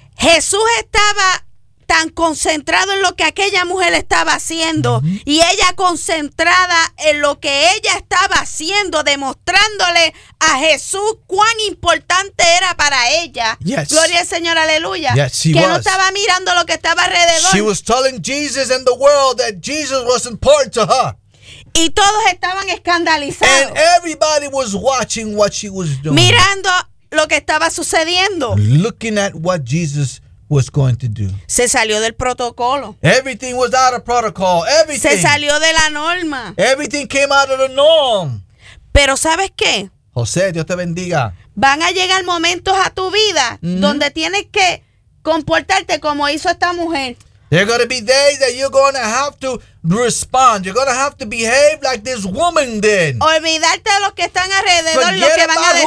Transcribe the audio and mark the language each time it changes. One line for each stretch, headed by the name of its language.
Spanish: Jesús estaba tan concentrado en lo que aquella mujer estaba haciendo, uh-huh, y ella concentrada en lo que ella estaba haciendo, demostrándole a Jesús cuán importante era para ella.
English: Yes.
Spanish: Gloria al Señor, aleluya.
English: Yes, she
Spanish: que
English: was.
Spanish: No estaba mirando lo que estaba alrededor.
English: She was telling Jesus and the world that Jesus was important to her.
Spanish: Y todos estaban escandalizados.
English: And everybody was watching what she was doing.
Spanish: Mirando lo que estaba sucediendo.
English: Looking at what Jesus was going to do.
Spanish: Se salió del protocolo.
English: Everything was out of protocol. Everything.
Spanish: Se salió de la norma.
English: Everything came out of the norm.
Spanish: Pero ¿sabes qué? José, Dios te bendiga. Van a llegar momentos a tu vida, mm-hmm, donde tienes que comportarte como hizo esta mujer.
English: There are going to be days that you're going to have to respond. You're going to have to behave like this woman did.
Spanish: Olvidarte de los que están alrededor, lo que van a decir.